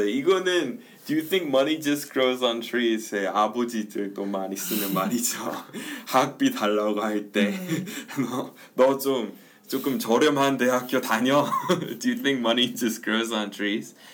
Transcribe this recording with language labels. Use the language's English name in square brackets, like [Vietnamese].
[Korean] 이거는 [English] Do you think money just grows on trees? [Korean] 제 아버지들도 많이 쓰는 말이죠. 학비 달라고 할 때 너 좀 저렴한 대학교 다녀. [English] Do you think money just grows on trees?